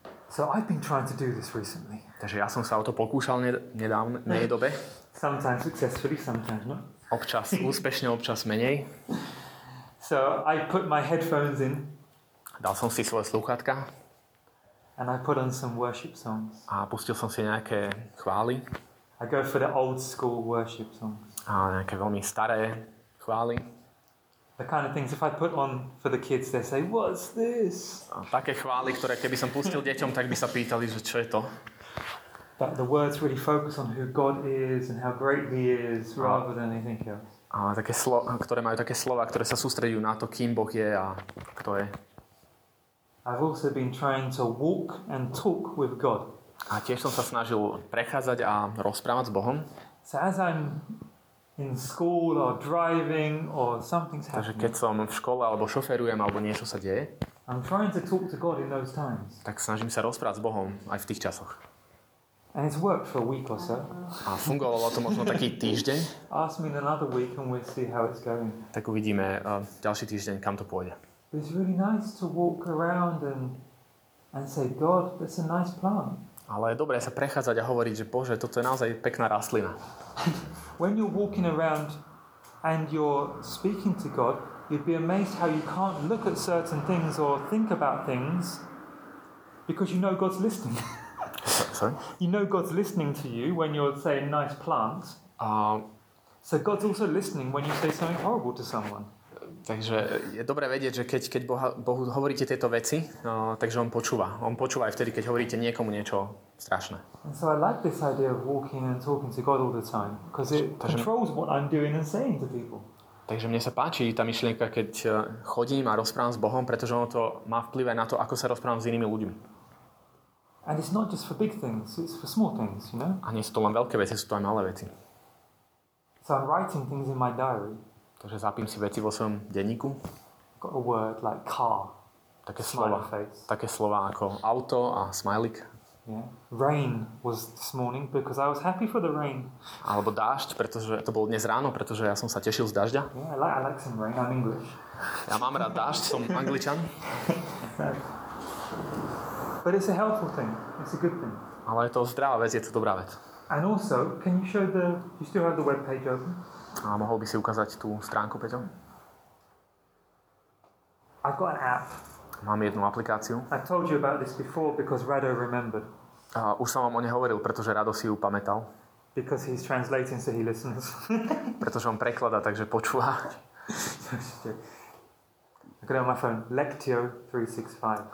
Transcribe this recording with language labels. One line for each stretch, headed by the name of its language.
English: So I've been trying to do this recently.
Slovak: Takže ja som sa o to pokúšal nedávnej dobe.
English: Sometimes successfully, sometimes not.
Slovak: Občas úspešne, občas menej.
English: So I put my headphones in.
Slovak: Dal som si svoje slúchadka.
English: And I put on some worship songs.
Slovak: A pustil som si nejaké chvály.
English: I go for the old school worship songs.
Slovak: A nejaké veľmi staré chvály.
English: The kind of things if I put on for the kids, they say, what's this?
Slovak: A také chvály, ktoré keby som pustil deťom, tak by sa pýtali, že čo je to?
English: But the words really focus on who God is and how great he is rather than anything else.
Slovak: A také slova, ktoré majú také slova, ktoré sa sústredujú na to, kým Boh je a kto je.
English: I've also been trying to walk and talk with God.
Slovak: A tiež som sa snažil prechádzať a rozprávať s Bohom.
English: So as I'm in school or driving or something's happening.
Slovak: Takže keď som v škole alebo šoférujem alebo niečo sa deje.
English: I'm trying to talk to God in those times.
Slovak: Tak snažím sa rozprávať s Bohom aj v tých časoch.
English: And it's worked for a week or so.
Slovak: A fungovalo to možno taký týždeň.
English: Ask me in another week and we'll see how it's going.
Slovak: Tak uvidíme ďalší týždeň, kam to pôjde.
English: It's really nice to walk around and say, God, that's a nice plant.
Slovak: Ale je dobré sa prechádzať a hovoriť, že Bože, toto je naozaj pekná rastlina.
English: When you're walking around and you're speaking to God, you'd be amazed how you can't look at certain things or think about things Because you know God's listening. Sorry? You know God's listening to you when you're saying nice plant. So God's also listening when you say something horrible to someone.
Slovak: Takže je dobré vedieť, že keď Bohu hovoríte tieto veci, takže on počúva. On počúva aj vtedy, keď hovoríte niekomu niečo strašné.
English: And so I like this idea of walking and talking to God all the time, because it controls what I'm doing and saying to people.
Slovak: Takže mne sa páči tá myšlienka, keď chodím a rozprávam s Bohom, pretože ono to má vplyv na to, ako sa rozprávam s inými ľuďmi.
English: And it's not just for big things, it's for small things, you know?
Slovak: A nie sú to len veľké veci, sú to aj malé veci.
English: So I'm writing things in my diary.
Slovak: Takže zapím si veci vo svojom denníku.
English: Got a word like car.
Slovak: Také slova. Také slova ako auto a smajlik.
English: Yeah. Rain was this morning because I was happy for the rain.
Slovak: Alebo dážď, pretože to bolo dnes ráno, pretože ja som sa tešil z dažďa.
English: Yeah, I like some rain, I'm English.
Slovak: Ja mám rád dážď, som Angličan.
English: But it's a helpful thing. It's a good thing.
Slovak: Ale je to zdravá vec, je to dobrá vec.
English: And also, can you show the, you still have the web page open?
Slovak: A mohol by si ukázať tú stránku, Peťo?
English: I've got an app.
Slovak: Mám jednu aplikáciu.
English: I told you about this before because Rado remembered.
Slovak: A už som vám o nej hovoril, pretože Rado si ju pamätal.
English: Because he's translating, so he listens.
Slovak: Pretože on prekladá, takže počúva.
English: I got it on my phone. Lectio 365.